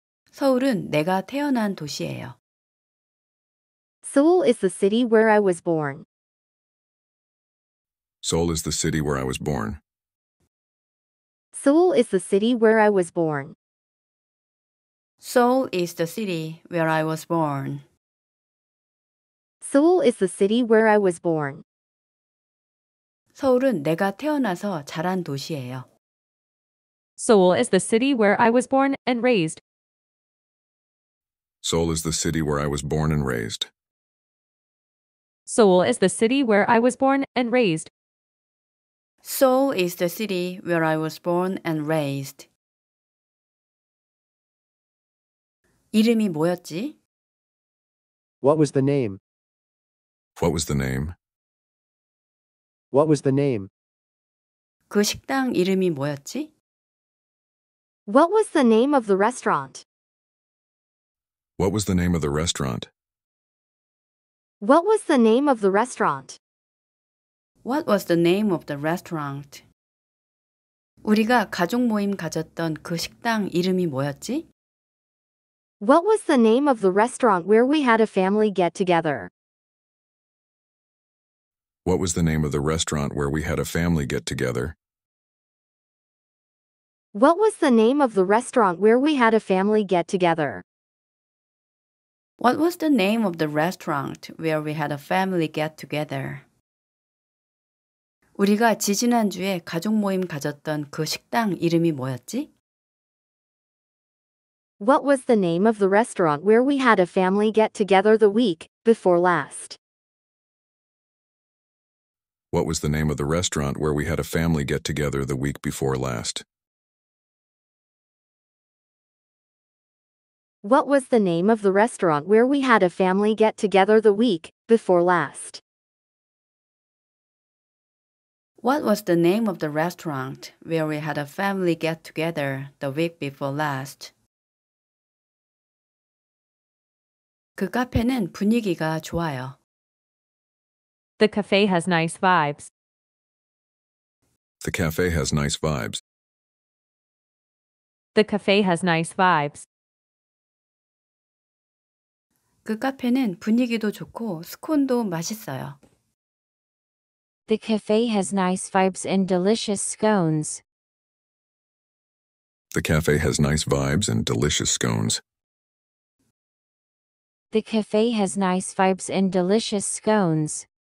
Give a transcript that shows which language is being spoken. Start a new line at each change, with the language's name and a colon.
Korean: 서울은 내가 태어난 도시예요.
English: Seoul is the city where I was born. Seoul is the city where I was born. Seoul is the city where I was born. Seoul is the city where I was born. Seoul is the city where I was born.
Korean: 서울은 내가 태어나서 자란 도시예요.
English: Seoul is the city where I was born and raised. Seoul is the city where I was born and raised. Seoul is the city where I was born and raised. Seoul is the city where I was born and raised.
Korean: 이름이 뭐였지?
English: What was the name? What was the name? What was the name?
Korean: 그 식당 이름이 뭐였지?
English: What was the name of the restaurant? What was the name of the restaurant? What was the name of the restaurant? What was the name of the restaurant?
Korean: 우리가 가족 모임 가졌던 그 식당 이름이 뭐였지?
English: What was the name of the restaurant where we had a family get together? What was the name of the restaurant where we had a family get together? What was the name of the restaurant where we had a family get together? What was the name of the restaurant where we had a family get together?
Korean: 우리가 지지난주에 가족 모임 가졌던 그 식당 이름이 뭐였지?
English: What was the name of the restaurant where we had a family get together the week before last? What was the name of the restaurant where we had a family get together the week before last? What was the name of the restaurant where we had a family get together the week before last? What was the name of the restaurant where we had a family get together the week before last?
Korean: 그 카페는 분위기가 좋아요.
English: The cafe has nice vibes. The cafe has nice vibes. The cafe has nice vibes.
Korean: 그 카페는 분위기도 좋고 스콘도 맛있어요.
English: The cafe has nice vibes and delicious scones. The cafe has nice vibes and delicious scones. The cafe has nice vibes and delicious scones.